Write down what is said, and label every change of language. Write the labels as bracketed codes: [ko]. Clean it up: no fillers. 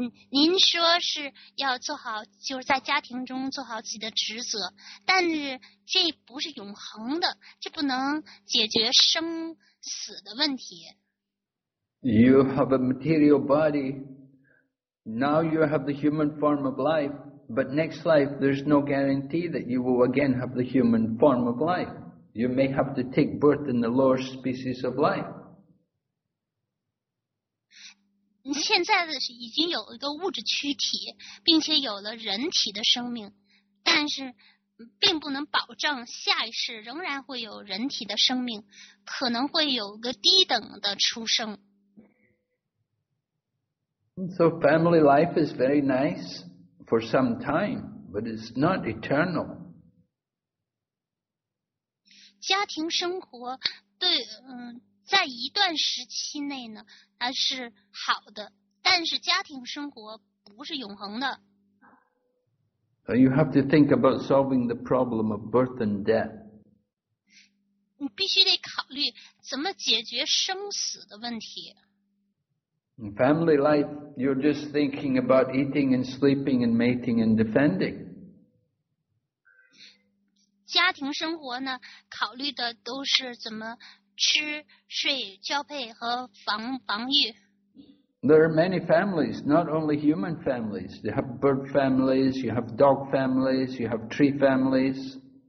[zh] 您说是要做好，就是在家庭中做好自己的职责，但是这不是永恒的，这不能解决生死的问题。 [en] You have a material body. Now you have the human form of life, but next life there's no guarantee that you will again have the human form of life. You may have to take birth in the lower species of life. [zh] 现在已经有一个物质躯体，并且有了人体的生命，但是并不能保证下一世仍然会有人体的生命，可能会有个低等的出生。 [en] So family life is very nice for some time, but it's not eternal. [zh] 家庭生活对在一段时期内呢，它是好的，但是家庭生活不是永恒的。 [en] You have to think about solving the problem of birth and death. [zh] 你必须得考虑怎么解决生死的问题。 [en] In family life, you're just thinking about eating and sleeping and mating and defending. [zh] 家庭生活呢，考虑的都是怎么吃睡交配和防御。 [en] There are many families, not only human families. You have bird families, you have dog families, you have tree families.